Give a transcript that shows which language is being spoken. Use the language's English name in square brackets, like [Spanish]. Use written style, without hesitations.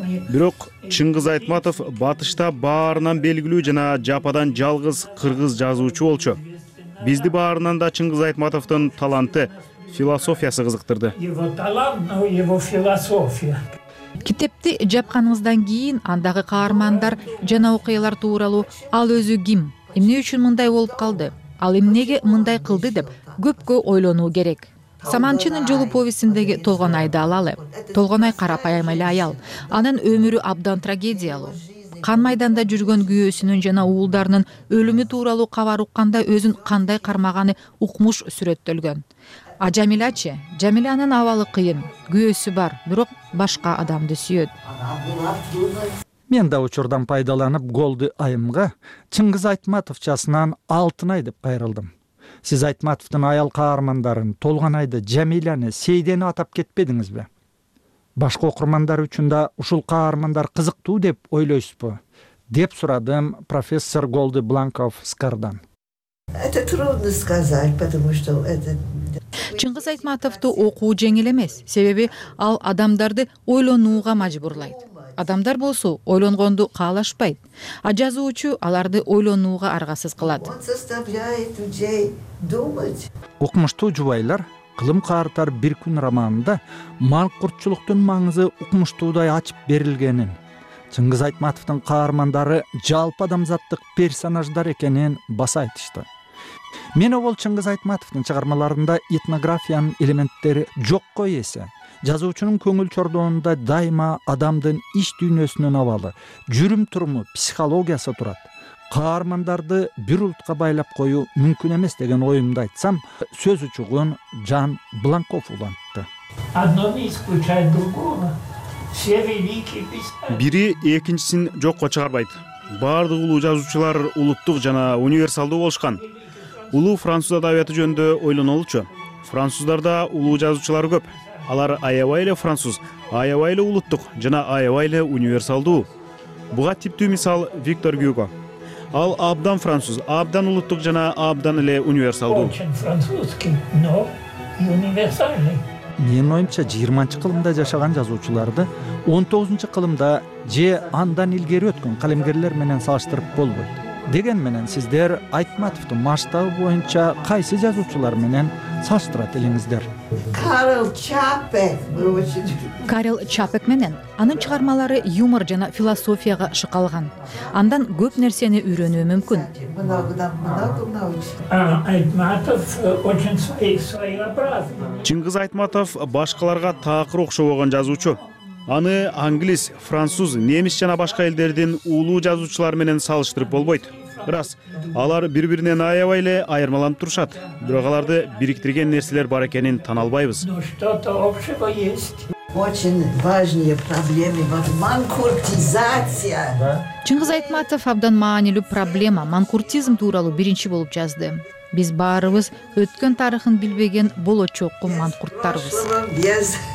[Kyrgyz] Бирок Чыңгыз Айтматов батышта баарынан белгилүү жана жападан жалгыз кыргыз жазуучу болчу. Бизди баарынан да Чыңгыз Айтматовдун таланты, философиясы кызыктырды. [Russian] Его талант, но его философия. [Kyrgyz] Китепти жапканыңыздан кийин андагы каармандар жана окуялар тууралуу ал өзү ким, эмне үчүн мындай болуп калды, ал эмнеге мындай кылды деп көпкө ойлонуу керек. Саманчынын жолу повестиндеги Толгонайды алалы. Толгонай карапайым эле аял. Анын өмүрү абдан трагедиялуу. Кан майданда жүргөн күйөөсүнүн жана уулдарынын өлүмү тууралуу кабар укканда өзүн кандай кармаганы укмуш сүрөттөлгөн. А Жамилачы? Жамилянын абалы кыйын. Күйөөсү бар, бирок башка адамды сүйөт. Мен да учурдан пайдаланып Голды айымга Чыңгыз Айтматовчасынан Алтынай деп кайрылдым. Сиз Айтматовдун аял каармандарын Толгонайды, Жамиляны, Сейдени атап кетпедиңизби? Башка окурмандар үчүн да ушул каармандар кызыктуу деп ойлойсузбу? Деп сурадым профессор Голды Бланков Скардан. [Russian] Это трудно сказать, потому что [Kyrgyz] Чыңгыз Айтматовду окуу жеңил эмес, себеби ал адамдарды ойлонууга мажбурлайт. Адамдар болсо ойлонгонду каалашпайт, а жазуучу аларды ойлонууга аргасыз кылат. Укмуштуу жубайлар Кылым каартар бир күн романында маңкурчулуктун маңызы укмуштуудай ачып берилгенин, Чыңгыз Айтматовдун каармандары жалпы адамзаттык персонаждар экенин баса айтышты. Мен оол Чыңгыз Айтматовдун чыгармаларында этнографиянын элементтери жокко эсе, жазуучунун көңүл чордоонунда дайыма адамдын иш дүйнөсүнүн абалы, жүрүм туруму, психологиясы турат. Каармандарды бир улутка байлап коюу мүмкүн эмес деген оюмду айтсам, сөз учугун Жан Бланков улантты. [Russian] Одно не исключает другого. Все великие писатели. [Kyrgyz] Бири экинчисин жокко чыгарбайт. Баардык улуу жазуучулар улуттук жана универсалдуу болушкан. Улуу француз адабияты жөнүндө ойлонолучу. Француздарда улуу жазуучулар көп. Алар аябай эле француз, аябай эле улуттук жана аябай эле универсалдуу. Буга типтүү мисал Виктор Гюго. Ал абдан француз, абдан улуттук жана абдан эле универсалдуу. Менин оюмча 20-чы кылымда жашаган жазуучуларды 19-чы кылымда же андан илгери өткөн калемгерлер менен салыштырып болбойт. Деген менен сиздер Айтматовдун масштабы боюнча кайсы жазуучулар менен салыштырат элеңиздер? Карл Чапек менен анын чыгармалары юмор жана философияга шыкалган. Андан көп нерсени үйрөнүү мүмкүн. [Russian] Айтматов очень своеобразный. [Kyrgyz] Чыңгыз Айтматов башкаларга такыр окшобогон жазуучу. Аны англис, француз, немис жана башка элдердин уулуу жазуучулары менен салыштырып болбойт. Рас, алар бири-биринен аябай эле айырмаланып турушат. Бирок аларды бириктирген нерселер бар экенин таанылбайбыз. [Russian] Очень важные проблемы вот манкуртизация. [Kyrgyz] Чыңгыз Айтматов абдан маанилүү проблема манкуртизм тууралуу биринчи болуп жазды. Биз баарыбыз өткөн тарыхын билбеген болочокку манкурттарбыз.